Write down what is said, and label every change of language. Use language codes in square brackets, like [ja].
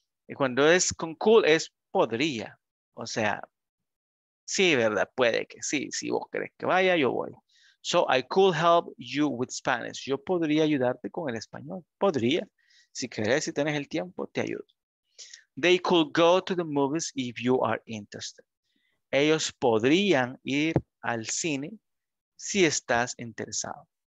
[es] Y cuando es con could, es podría. O sea, sí, ¿verdad? Puede que sí. Si vos querés que vaya, yo voy. [en] So, I could help you with Spanish. [es] Yo podría ayudarte con el español. Podría. Si querés, si tenés el tiempo, te ayudo. [en] They could go to the movies if you are interested. [es] Ellos podrían ir al cine si estás interesado.